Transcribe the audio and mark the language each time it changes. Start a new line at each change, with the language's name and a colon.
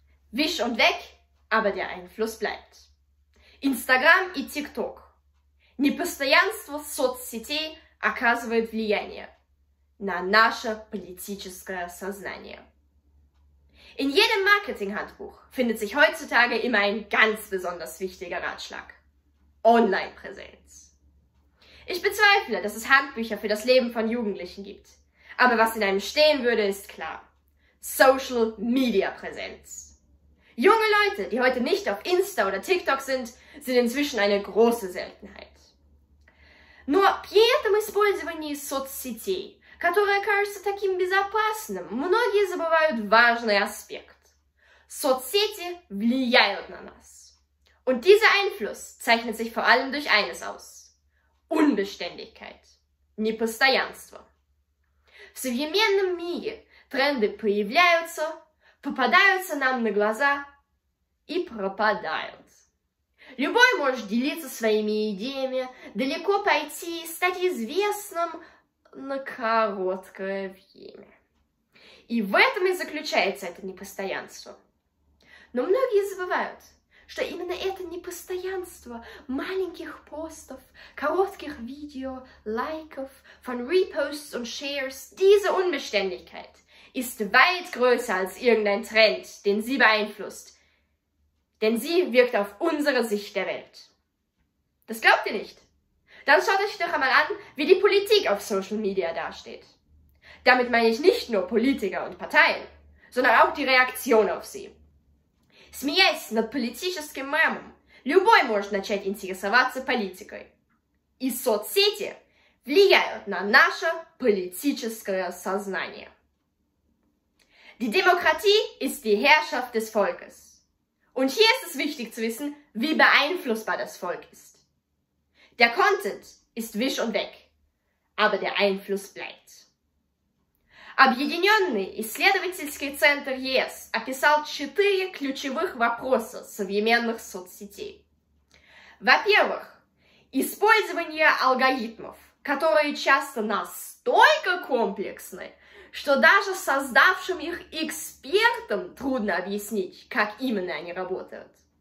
German: Wisch und weg, aber der Einfluss bleibt.
Russian: Instagram и TikTok. Непостоянство соцсетей оказывает влияние на наше политическое сознание.
German: In jedem Marketinghandbuch findet sich heutzutage immer ein ganz besonders wichtiger Ratschlag. Online-Präsenz. Ich bezweifle, dass es Handbücher für das Leben von Jugendlichen gibt. Aber was in einem stehen würde, ist klar. Social Media Präsenz. Junge Leute, die heute nicht auf Insta oder TikTok sind, sind inzwischen eine große Seltenheit.
Russian: Но при этом использовании соцсетей, которое кажется таким безопасным, многие забывают важный аспект. Соцсети влияют на нас.
German: Und dieser Einfluss zeichnet sich vor allem durch eines aus. Unbeständigkeit.
Russian: Непостоянство. В современном мире тренды появляются, попадаются нам на глаза и пропадают. Любой может делиться своими идеями, далеко пойти и стать известным на короткое время. И в этом и заключается это непостоянство. Но многие забывают, что именно это непостоянство маленьких постов, коротких видео, лайков,
German: von Reposts und Shares, diese Unbeständigkeit ist weit größer als irgendein Trend, den sie beeinflusst. Denn sie wirkt auf unsere Sicht der Welt. Das glaubt ihr nicht? Dann schaut euch doch einmal an, wie die Politik auf Social Media dasteht. Damit meine ich nicht nur Politiker und Parteien, sondern auch die Reaktion auf sie.
Russian: Смеясь над политическим мемом, любой может начать интересоваться политикой. И соцсети влияют на наше политическое сознание.
German: Die Demokratie ist die Herrschaft des Volkes. Und hier ist es wichtig zu wissen, wie beeinflussbar das Volk ist. Der Content ist wisch und weg, aber der Einfluss bleibt.
Russian: Объединенный исследовательский центр ЕС описал 4 ключевых вопроса современных соцсетей. Во-первых, использование алгоритмов, которые часто настолько комплексны, что даже создавшим их экспертам трудно объяснить, как именно они работают.